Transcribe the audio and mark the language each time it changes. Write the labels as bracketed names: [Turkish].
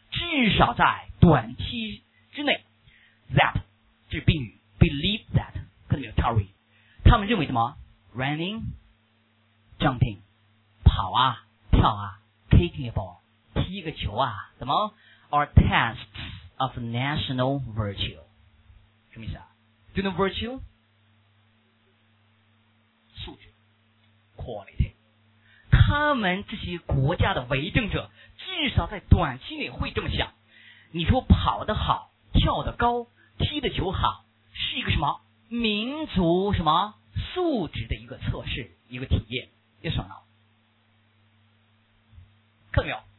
[Chinese] 至少在短期之内 ，that 这宾语 ， [English] believe that [Chinese] 看到没有差语？他们认为什么 ？ [English] running， jumping， [Chinese] 跑啊，跳啊 ， [English] kicking a ball， [Chinese] 踢一个球啊，怎么？ [English] Are tests of national virtue， [Chinese] 什么意思啊 [English] ？Do you know virtue？ [Chinese] 素质 ，quality。他们这些国家的为政者，至少在短期内会这么想。你说跑得好，跳得高，踢得球好，是一个什么民族什么素质的一个测试，一个体验，也爽了。看到没有？